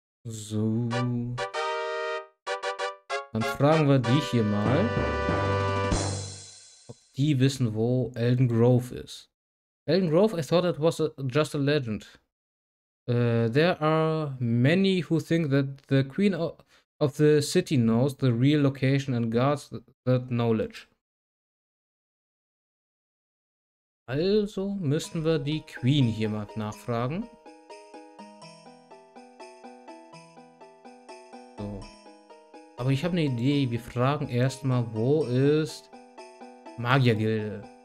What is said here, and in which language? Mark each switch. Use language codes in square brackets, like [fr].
[de] So, dann fragen wir dich hier mal, ob die wissen, wo Elden Grove ist. [en] Elden Grove, I thought it was just a legend. There are many who think that the queen of the city knows the real location and guards that knowledge. [de] Also müssten wir die Queen hier mal nachfragen. Aber ich habe eine Idee. Wir fragen erstmal, wo ist Magiergilde?